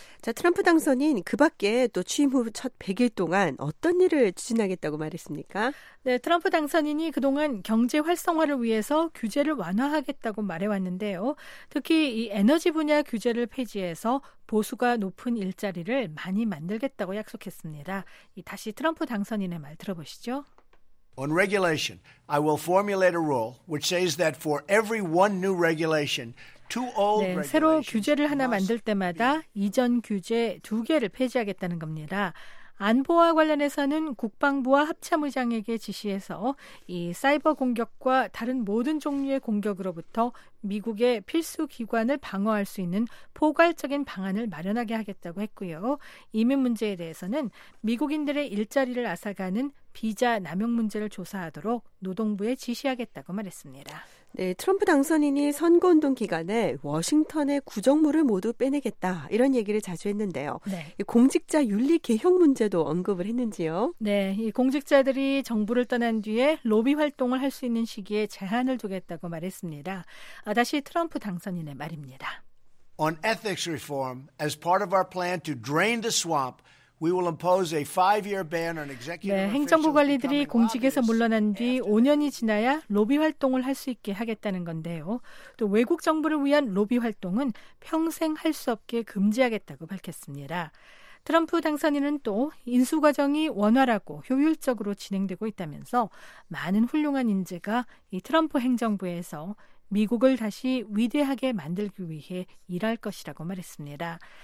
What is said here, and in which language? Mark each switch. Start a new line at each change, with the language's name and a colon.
Korean: 자, 트럼프 당선인 그 밖에 또 취임 후 첫 100일 동안 어떤 일을 추진하겠다고 말했습니까? 네, 트럼프 당선인이 그동안 경제 활성화를 위해서 규제를 완화하겠다고 말해왔는데요. 특히 이 에너지 분야 규제를 폐지해서 보수가 높은 일자리를 많이 만들겠다고 약속했습니다. 다시 트럼프 당선인의 말 들어보시죠.
English: On regulation, I will formulate a rule which says that for every one new regulation,
Korean: 네, 새로 규제를 하나 만들 때마다 이전 규제 두 개를 폐지하겠다는 겁니다. 안보와 관련해서는 국방부와 합참의장에게 지시해서 이 사이버 공격과 다른 모든 종류의 공격으로부터 미국의 필수 기관을 방어할 수 있는 포괄적인 방안을 마련하게 하겠다고 했고요. 이민 문제에 대해서는 미국인들의 일자리를 앗아가는 비자 남용 문제를 조사하도록 노동부에 지시하겠다고 말했습니다. 네, 트럼프 당선인이 선거운동 기간에 워싱턴의 구정물을 모두 빼내겠다 이런 얘기를 자주 했는데요. 네. 공직자 윤리 개혁 문제도 언급을 했는지요? 네, 이 공직자들이 정부를 떠난 뒤에 로비 활동을 할 수 있는 시기에 제한을 두겠다고 말했습니다. 다시 트럼프 당선인의 말입니다.
English: On ethics reform, as part of our plan to drain the swamp, we will impose a 5-year ban on executive.
Korean: 네, 행정부 관리들이 공직에서 물러난 뒤 5년이 지나야 로비 활동을 할 수 있게 하겠다는 건데요. 또 외국 정부를 위한 로비 활동은 평생 할 수 없게 금지하겠다고 밝혔습니다. 트럼프 당선인은 또 인수 과정이 원활하고 효율적으로 진행되고 있다면서 많은 훌륭한 인재가 이 트럼프 행정부에서 미국을 다시 위대하게 만들기 위해 일할 것이라고 말했습니다.